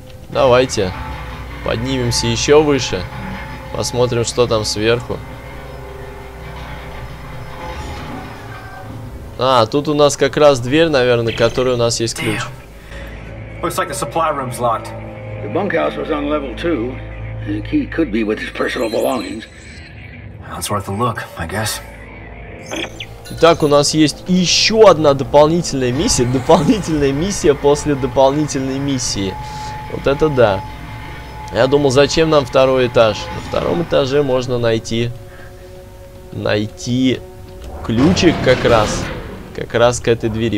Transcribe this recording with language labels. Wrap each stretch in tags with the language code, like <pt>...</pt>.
<ru>Давайте поднимемся еще выше. Посмотрим, что там сверху. А, тут у нас как раз дверь, наверное, к которой у нас есть ключ.</ru> <en>Looks like the supply room's locked. The bunkhouse was on level 2. The key could be with his personal belongings. That's worth a look, I guess.</en> <ru>Итак, у нас есть еще одна дополнительная миссия. Дополнительная миссия после дополнительной миссии. Вот это да. Я думал, зачем нам второй этаж? На втором этаже можно найти... найти ключик как раз. Как раз к этой двери.</ru>